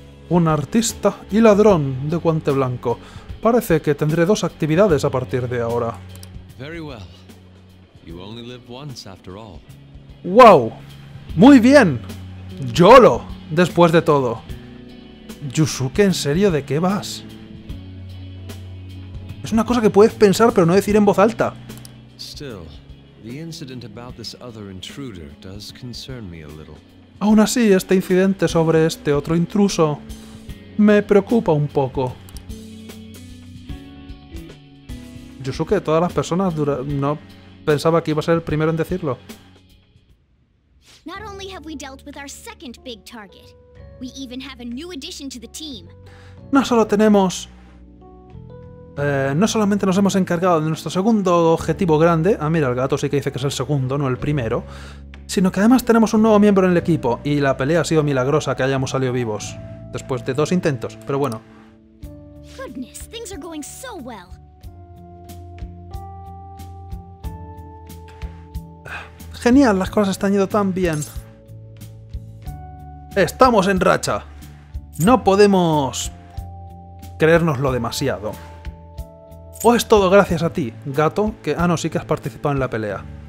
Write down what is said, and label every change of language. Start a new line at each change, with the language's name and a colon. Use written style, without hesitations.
Spanish: Un artista y ladrón de guante blanco. Parece que tendré dos actividades a partir de ahora.
English: Very well. You only live once after all.
Spanish: ¡Wow! ¡Muy bien! ¡YOLO! Después de todo. Yusuke, ¿en serio? ¿De qué vas? Es una cosa que puedes pensar, pero no decir en voz alta.
English: Still, the incident about this other intruder does concern me a little.
Spanish: Aún así, este incidente sobre este otro intruso me preocupa un poco. Yusuke, de todas las personas, no pensaba que iba a ser el primero en decirlo.
English: Not only have we dealt with our second big target, we even have a new addition to the team.
Spanish: No solo tenemos, no solamente nos hemos encargado de nuestro segundo objetivo grande. Ah, mira, el gato sí que dice que es el segundo, no el primero. Sino que además tenemos un nuevo miembro en el equipo y la pelea ha sido milagrosa que hayamos salido vivos después de dos intentos. Pero bueno.
English: Goodness, things are going so well.
Spanish: Genial, las cosas están yendo tan bien. Estamos en racha. No podemos creérnoslo demasiado. O es todo gracias a ti, gato, que... Ah, no, sí que has participado en la pelea.